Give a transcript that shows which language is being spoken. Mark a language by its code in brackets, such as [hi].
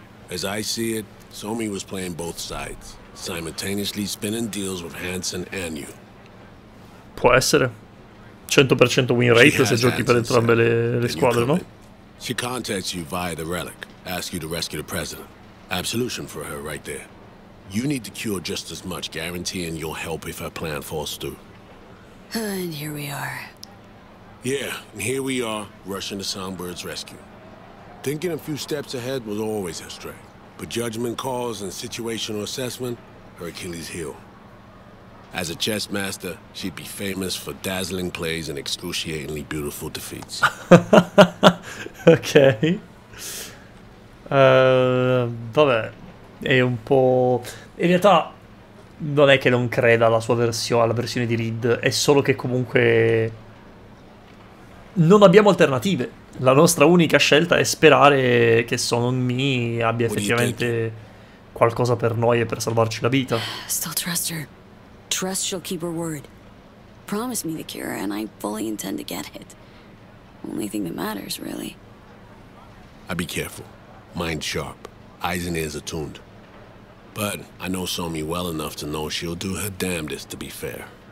[en] As I see it, Somi was playing both sides, simultaneously spinning deals with Hansen and you. [it] Può essere. 100% win rate se giochi per entrambe le squadre, no? [en] She contacts you via the relic, ask you to rescue the president. Absolution for her right there. You need to cure just as much, guaranteeing you'll help if her plan falls through. And here we are. Yeah, and here we are, rushing to Songbird's rescue. Thinking a few steps ahead was always her strength. But judgment calls and situational assessment, her Achilles heel. As a chess master, she'd be famous for dazzling plays and excruciatingly beautiful defeats. [it] Okay. Vabbè, è un po'... In realtà non è che non creda alla sua versione, alla versione di Reed, è solo che comunque non abbiamo alternative. La nostra unica scelta è sperare che Sono Mi abbia effettivamente qualcosa per noi e per salvarci la vita. [en] Still trust her. Trust she'll keep her word. Promise me the cure and I fully intend to get it. only thing that matters, really. I be careful. Mind sharp. Eyes and ears attuned. But I know Somi well enough to know she'll do her damnedest to be fair.